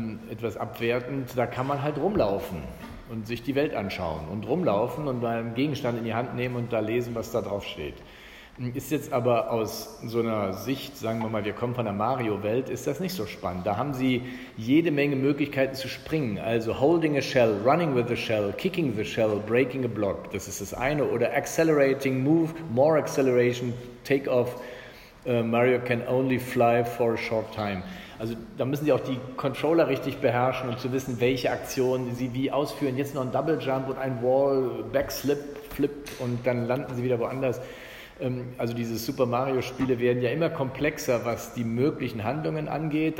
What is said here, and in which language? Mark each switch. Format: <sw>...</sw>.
<de>etwas abwertend, da kann man halt rumlaufen und sich die Welt anschauen und rumlaufen und mal einen Gegenstand in die Hand nehmen und da lesen, was da drauf steht. Ist jetzt aber aus so einer Sicht, sagen wir mal, wir kommen von der Mario-Welt, ist das nicht so spannend. Da haben Sie jede Menge Möglichkeiten zu springen.</de> <en>Also holding a shell, running with a shell, kicking the shell, breaking a block.</en> <de>Das ist das eine.</de> <en>Oder accelerating, move, more acceleration, take off. Mario can only fly for a short time.</en> <de>Also da müssen Sie auch die Controller richtig beherrschen, um zu wissen, welche Aktionen Sie wie ausführen. Jetzt noch ein Double Jump und ein Wall, Backslip, Flip und dann landen Sie wieder woanders. Also diese Super Mario Spiele werden ja immer komplexer, was die möglichen Handlungen angeht.</de>